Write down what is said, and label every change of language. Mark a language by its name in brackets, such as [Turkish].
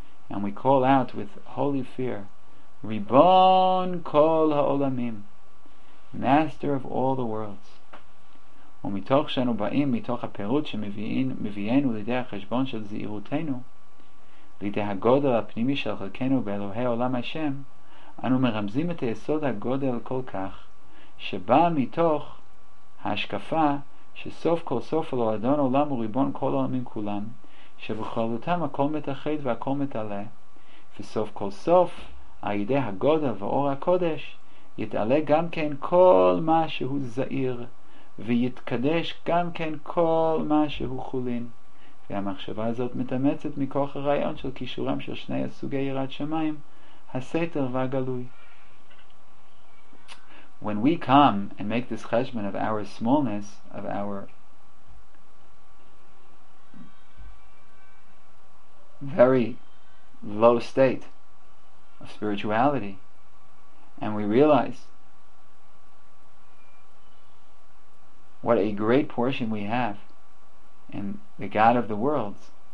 [English] And we call out with holy fear, Ribon Kol HaOlamim, Master of all the worlds. [Hebrew] ומתוך שאנו באים מתוך הפירוט שמביאנו לידי החשבון של זהירותנו לידי הגודל הפנימי של חלקנו באלוהי עולם השם, אנו מרמזים את היסוד הגודל כל כך שבא מתוך ההשקפה שסוף כל סוף אלו אדון עולם הוא ריבון כל עולמים כולם, שבכללותם הכל מתאחד והכל מתעלה, וסוף כל סוף על ידי הגודל ואור הקודש יתעלה גם כן כל מה שהוא זעיר, ויתקדש גם כן כל מה שהוא חולין, והמחשבה הזאת מתאמצת מכוח הרעיון של כישורם של שני הסוגי יראת שמיים, הסתר והגלוי. [English] When we come and make this cheshbon of our smallness, of our very low state of spirituality, and we realize what a great portion we have in the God of the worlds.